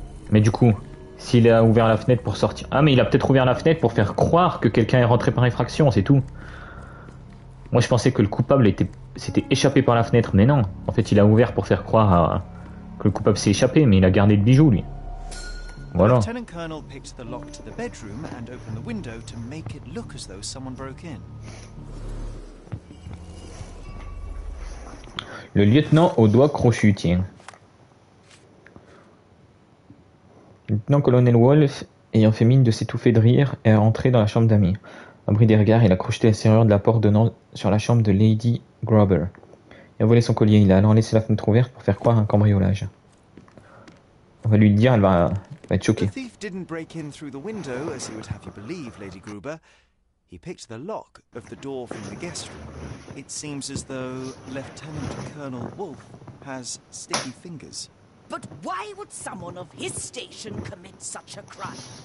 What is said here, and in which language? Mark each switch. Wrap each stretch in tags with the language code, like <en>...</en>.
<fr>Mais du coup, s'il a ouvert la fenêtre pour sortir... Ah, mais il a peut-être ouvert la fenêtre pour faire croire que quelqu'un est rentré par effraction, c'est tout. Moi, je pensais que le coupable était... s'était échappé par la fenêtre, mais non. En fait, il a ouvert pour faire croire à... que le coupable s'est échappé, mais il a gardé le bijou, lui. Voilà.</fr> <en>Le lieutenant colonel picked the lock to the bedroom and opened the window to make it look as though someone broke in.</en> <fr>Le lieutenant aux doigts crochus, tiens. Le lieutenant colonel Wolf, ayant fait mine de s'étouffer de rire, est rentré dans la chambre d'amis. Abri des regards, il a crocheté la serrure de la porte donnant sur la chambre de Lady Grubber. Il a volé son collier, il a alors laissé la fenêtre ouverte pour faire croire un cambriolage. On va lui dire, elle va être choquée. Le</fr> <en>thief didn't break in through the window, as he would have you believe, Lady Gruber. He picked the lock of the door from the guest room. It seems as though Lieutenant Colonel Wolf has sticky fingers. But why would someone of his station commit such a crime?</en>